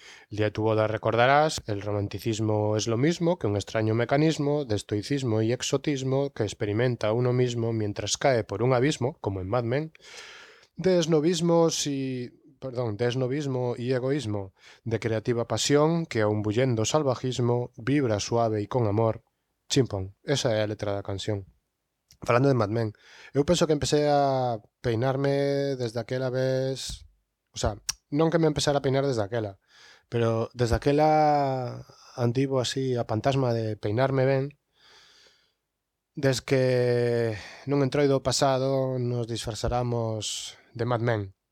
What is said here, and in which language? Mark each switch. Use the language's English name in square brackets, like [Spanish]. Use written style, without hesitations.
[Spanish] El día de tu boda recordarás, el romanticismo es lo mismo que un extraño mecanismo de estoicismo y exotismo que experimenta uno mismo mientras cae por un abismo, como en Mad Men, de esnobismo y egoísmo, de creativa pasión que aun bullendo salvajismo vibra suave y con amor. [Galician] Chimpón, esa é a letra da canción. Falando de Mad Men, eu penso que [Spanish] empecé a peinarme [Galician] desde aquela vez, o sea, non que me empezara a peinar desde aquela, pero desde aquela andivo así a fantasma de peinarme ben, desde que nun entroido pasado nos disfrazaramos de Mad Men.